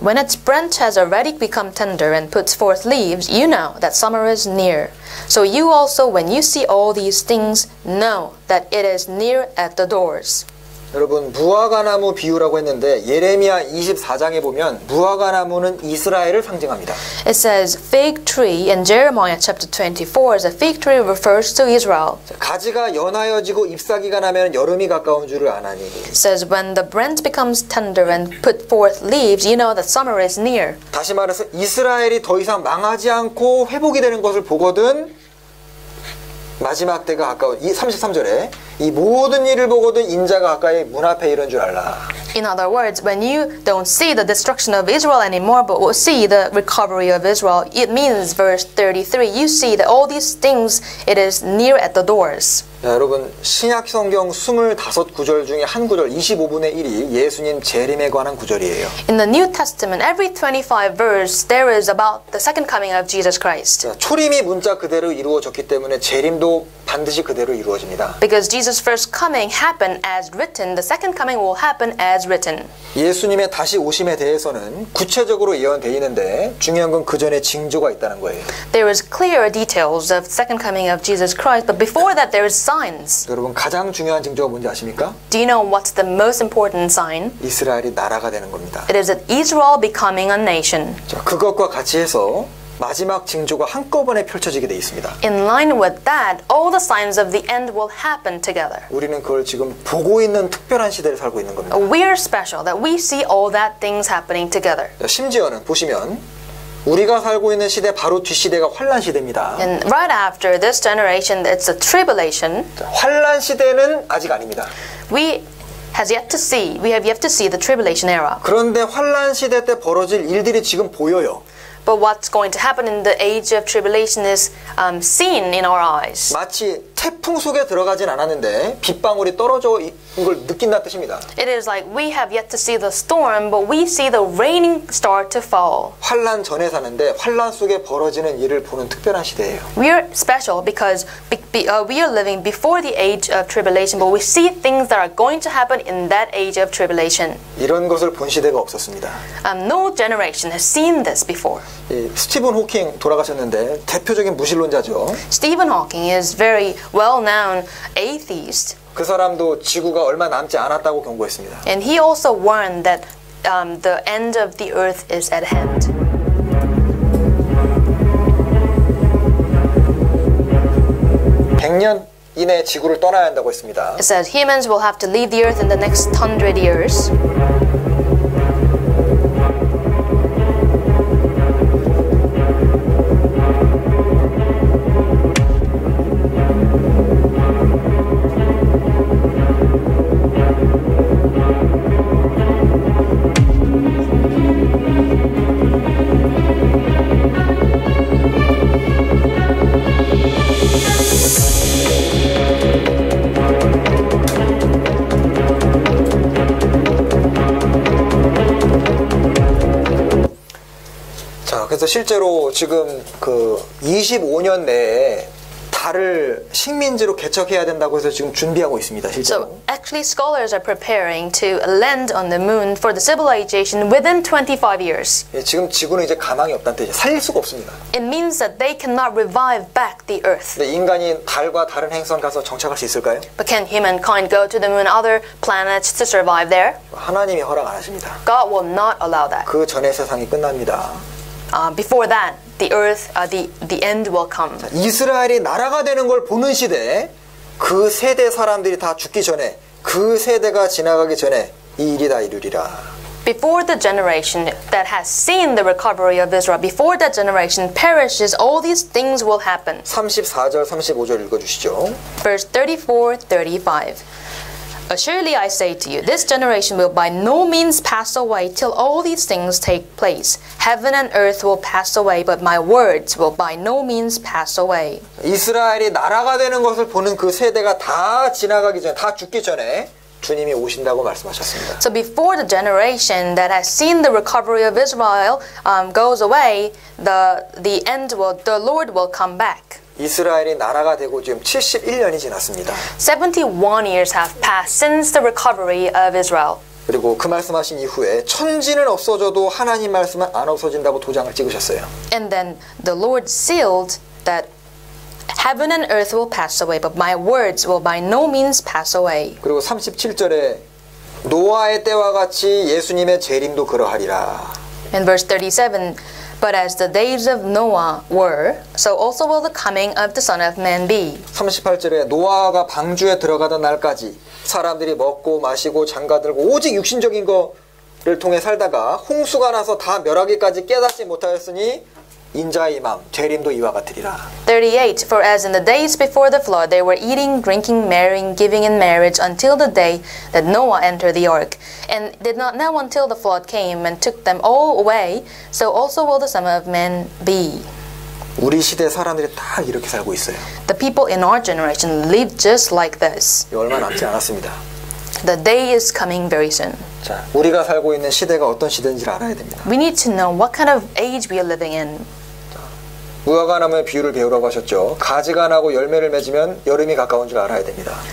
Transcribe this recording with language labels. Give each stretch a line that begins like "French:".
English: When its branch has already become tender and puts forth leaves, you know that summer is near. So you also, when you see all these things, know that it is near at the doors.
Korean: 여러분, 무화과나무 비유라고 했는데 예레미야 24장에 보면 무화과나무는 이스라엘을 상징합니다.
English: It says fig tree in Jeremiah chapter 24 is a fig tree refers to Israel.
Korean: 가지가 연하여지고 잎사귀가 나면 여름이 가까운 줄을 아나니.
English: It says when the branch becomes tender and put forth leaves, you know that summer is near.
Korean: 다시 말해서 이스라엘이 더 이상 망하지 않고 회복이 되는 것을 보거든 마지막 때가 가까운 이 33절에 이 모든 일을 보거든 인자가 가까이 문 앞에 이른 줄 알라.
English: In other words, when you don't see the destruction of Israel anymore but will see the recovery of Israel, it means verse 33. You see that all these things it is near at the doors.
Korean: 자, 여러분, 신약 성경 25구절 중에 한 구절 25분의 1이 예수님 재림에 관한 구절이에요.
English: In the New Testament, every 25 verse there is about the second coming of Jesus Christ.
Korean: 자, 초림이 문자 그대로 이루어졌기 때문에 재림도 반드시 그대로 이루어집니다.
English: Because Jesus' first coming happened as written, the second coming will happen as written.
Korean: 예수님의 다시 오심에 대해서는 구체적으로 예언되어 있는데 중요한 건 그 전에 징조가 있다는 거예요.
English: There is clear details of second coming of Jesus Christ, but before that there is signs.
Korean: 여러분, 가장 중요한 징조가 뭔지 아십니까?
English: Do you know what's the most important sign?
Korean: 이스라엘이 나라가 되는 겁니다.
English: It is Israel becoming a nation.
Korean: 자, 그것과 같이 해서 마지막 징조가 한꺼번에 펼쳐지게 돼 있습니다.
English: In line with that, all the signs of the end will happen together.
Korean: 우리는 그걸 지금 보고 있는 특별한 시대를 살고 있는 겁니다.
English: We are special that we see all that things happening together.
Korean: 심지어는 보시면 우리가 살고 있는 시대 바로 뒷시대가 환란 시대입니다.
English: And right after this generation, it's a tribulation.
Korean: 환란 시대는 아직 아닙니다.
English: We have yet to see the tribulation era.
Korean: 그런데 환란 시대 때 벌어질 일들이 지금 보여요.
English: But what's going to happen in the age of tribulation is seen in our eyes.
Korean: 마치 태풍 속에 들어가진 않았는데 빗방울이 떨어져 있는 걸 느낀다는 뜻입니다.
English: It is like we have yet to see the storm, but we see the raining start to fall.
Korean: 환란 전에 사는데 환란 속에 벌어지는 일을 보는 특별한 시대예요.
English: We are special because we are living before the age of tribulation, but we see things that are going to happen in that age of tribulation.
Korean: 이런 것을 본 시대가 없었습니다.
English: No generation has seen this before.
Korean: 예, 스티븐 호킹 돌아가셨는데 대표적인 무신론자죠.
English: Stephen Hawking is very well-known atheist.
Korean: 그 사람도 지구가 얼마 남지 않았다고 경고했습니다.
English: And he also warned that the end of the earth is at hand.
Korean: 100년 이내 지구를 떠나야 한다고 했습니다.
English: It says humans will have to leave the earth in the next 100 years.
Korean: 실제로 지금 그 25년 내에 달을 식민지로 개척해야 된다고 해서 지금 준비하고 있습니다. 실제로.
English: So actually scholars are preparing to land on the moon for the civilization within 25 years.
Korean: 예, 지금 지구는 이제 가망이 없다는 뜻이죠. 살릴 수가 없습니다.
English: It means that they cannot revive back the earth.
Korean: 근데 인간이 달과 다른 행성 가서 정착할 수 있을까요?
English: But can humankind go to the moon other planets to survive there?
Korean: 하나님이 허락 안 하십니다.
English: God will not allow that.
Korean: 그 전에 세상이 끝납니다.
English: Before that, the end will come. 자,
Korean: 이스라엘이 나라가 되는 걸 보는 시대, 그 세대 사람들이 다 죽기 전에, 그 세대가 지나가기 전에 이 일이 다 이루리라.
English: Before the generation that has seen the recovery of Israel, before that generation perishes, all these things will happen.
Korean: 34절, 35절 읽어주시죠.
English: Verse 34, 35. Surely I say to you, this generation will by no means pass away till all these things take place. Heaven and earth will pass away, but my words will by no means pass away.
Korean: 이스라엘이 나라가 되는 것을 보는 그 세대가 다 지나가기 전에, 다 죽기 전에 주님이 오신다고 말씀하셨습니다.
English: So before the generation that has seen the recovery of Israel goes away, the end will the Lord will come back.
Korean: 이스라엘이 나라가 되고 지금 71년이 지났습니다.
English: 71 years have passed since the recovery of Israel.
Korean: 그리고 그 말씀하신 이후에 천지는 없어져도 하나님 말씀은 안 없어진다고 도장을 찍으셨어요.
English: And then the Lord sealed that heaven and earth will pass away, but my words will by no means pass away.
Korean: 그리고 37절에 노아의 때와 같이 예수님의 재림도 그러하리라.
English: In verse 37, but as the days of Noah were, so also will the coming of the Son of Man be.
Korean: 38절에 노아가 방주에 들어가던 날까지 사람들이 먹고 마시고 장가들고 오직 육신적인 거를 통해 살다가 홍수가 나서 다 멸하기까지 깨닫지 못하였으니 인자의 임함, 재림도 이와 같으리라.
English: 38. For as in the days before the flood, they were eating, drinking, marrying, giving in marriage until the day that Noah entered the ark, and did not know until the flood came and took them all away, so also will the Son of Man be.
Korean: 우리 시대 사람들이 다 이렇게 살고 있어요.
English: The people in our generation live just like this.
Korean: 얼마 남지 않았습니다.
English: The day is coming very soon.
Korean: 자, 우리가 살고 있는 시대가 어떤 시대인지 알아야 됩니다.
English: We need to know what kind of age we are living in.
Korean: 무화과 나무의 비유를 배우라고 하셨죠. 가지가 나고 열매를 맺으면 여름이 가까운 줄 알아야 됩니다.